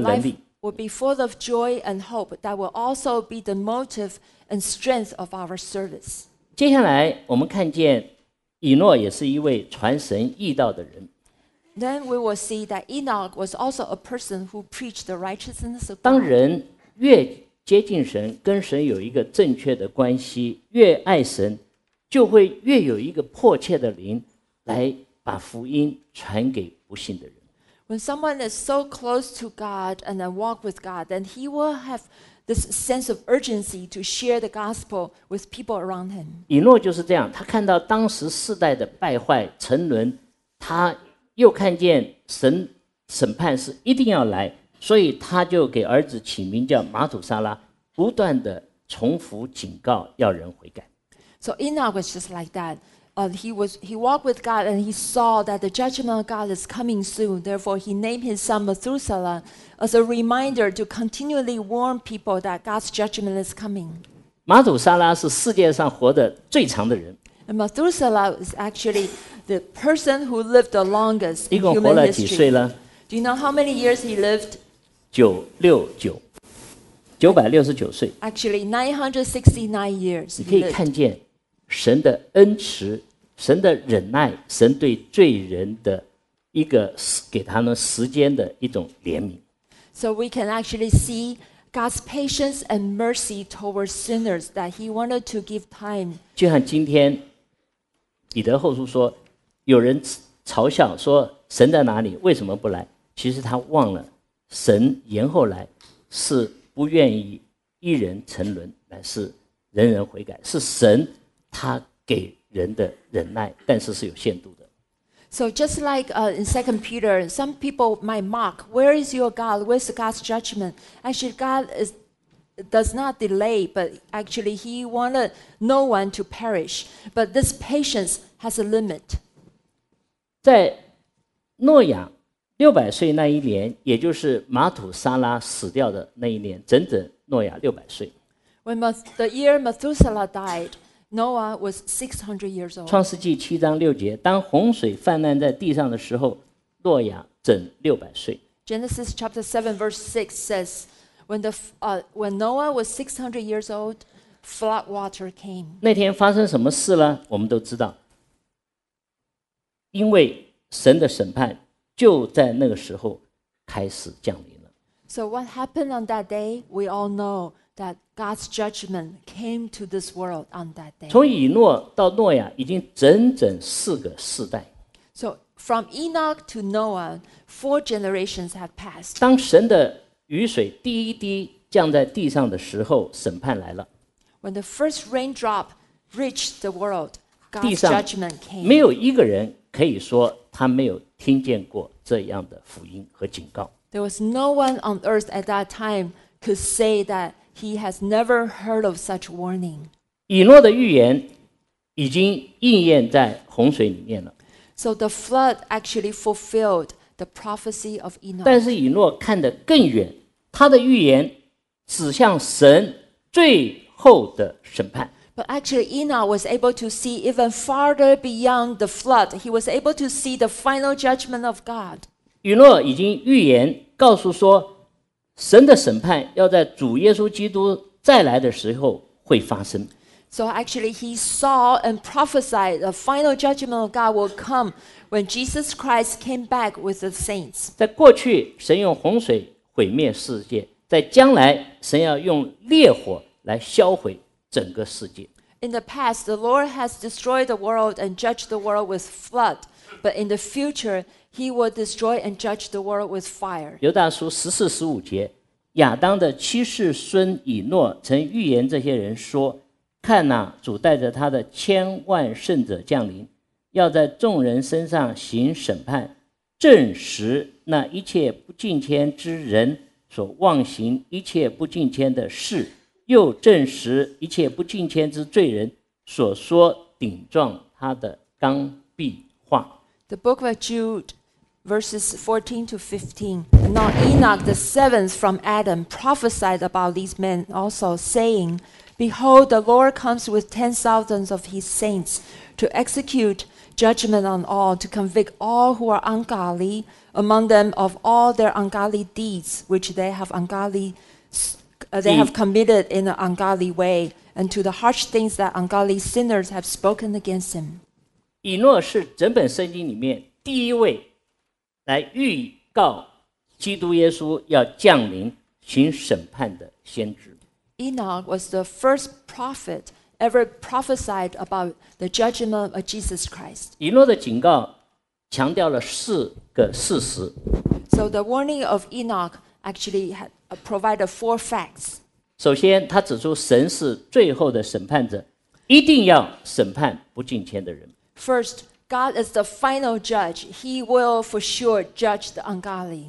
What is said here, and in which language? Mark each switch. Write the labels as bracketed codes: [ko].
[en] And our life will be full of joy and hope that will also be the motive and strength of our service. [zh] 接下来我们看见以诺也是一位传神义道的人。 [en] Then we will see that Enoch was also a person who preached the righteousness of God. [zh] 当人越接近神，跟神有一个正确的关系，越爱神，就会越有一个迫切的灵来把福音传给不信的人。 [en] When someone is so close to God and then walk with God, then he will have this sense of urgency to share the gospel with people around him. [zh] 以诺就是这样，他看到当时世代的败坏沉沦，他又看见神审判是一定要来，所以他就给儿子起名叫马土沙拉，不断的重复警告要人悔改。 [en] So Enoch was just like that. He walked with God and he saw that the judgment of God is coming soon. Therefore, he named his son Methuselah as a reminder to continually warn people that God's judgment is coming. [zh] 马土沙拉是世界上活得最长的人。 [en] And Methuselah is actually the person who lived the longest in human history. [zh] 一共活了几岁了？ [en] Do you know how many years he lived? [zh] 969岁。 [en] Actually, 969 years. [zh] 你可以看见神的恩慈，神的忍耐，神对罪人的一个给他们时间的一种怜悯。 [en] So we can actually see God's patience and mercy towards sinners that He wanted to give time. [zh] 就像今天彼得后书说，有人嘲笑说神在哪里？为什么不来？其实他忘了，神延后来是不愿意一人沉沦，乃是人人悔改，是神他给人的忍耐，但是是有限度的。 [en] So just like in 2 Peter, some people might mock, where is your God? Where's God's judgment? Actually, God does not delay, but actually he wanted no one to perish. But this patience has a limit. [zh] 在诺亚600岁那一年，也就是马土沙拉死掉的那一年，整整诺亚600岁。 [en] When the year Methuselah died,Noah was 600 years old. [zh] 创世纪七章六节，当洪水泛滥在地上的时候，诺亚整600岁。 [en] Genesis chapter 7 verse 6 says, when Noah was 600 years old, flood water came. [zh] 那天发生什么事呢？我们都知道，因为神的审判就在那个时候开始降临了。 [en] So what happened on that day? We all know. That God's judgment came to this world on that day. [zh] 从以诺到诺亚已经整整四个世代。 [en] So from Enoch to Noah, four generations have passed. [zh] 当神的雨水第一滴降在地上的时候，审判来了。 [en] When the first raindrop reached the world, God's judgment came. [zh] 没有一个人可以说他没有听见过这样的福音和警告。 [en] There was no one on earth at that time could say that he has never heard of such warning. [zh] 以诺的预言已经应验在洪水里面了。 [en] So the flood actually fulfilled the prophecy of Enoch. [zh] 但是以诺看得更远，他的预言指向神最后的审判。 [en] But actually, Enoch was able to see even farther beyond the flood. He was able to see the final judgment of God. [zh] 以诺已经预言告诉说，神的审判要在主耶稣基督再来的时候会发生。 [en] So actually, he saw and prophesied the final judgment of God will come when Jesus Christ came back with the saints. [zh] 在过去，神用洪水毁灭世界，在将来，神要用烈火来销毁整个世界。 [en] In the past, the Lord has destroyed the world and judged the world with flood. But in the future, He will destroy and judge the world with fire. [zh] 犹大书十四十五节，亚当的七世孙以诺曾预言这些人说：“看哪、啊，主带着他的千万圣者降临，要在众人身上行审判，证实那一切不敬虔之人所妄行一切不敬虔的事。” 又证实一切不敬虔之罪人所说顶撞他的刚愎话。 [en] The book of Jude, verses 14 to 15. Now Enoch, the seventh from Adam, prophesied about these men also, saying, Behold, the Lord comes with 10,000 of his saints to execute judgment on all, to convict all who are ungodly among them of all their ungodly deeds, which they have ungodly. They have committed in an ungodly way, and to the harsh things that ungodly sinners have spoken against him. [zh] 以诺是整本圣经里面第一位来预告基督耶稣要降临行审判的先知。 [en] Enoch was the first prophet ever prophesied about the judgment of Jesus Christ. [zh] 以诺的警告强调了四个事实。 [en] So the warning of Enoch actually had. Provide four facts. [zh] 首先，他指出神是最后的审判者，一定要审判不敬虔的人。 [en] First, God is the final judge. He will for sure judge the ungodly.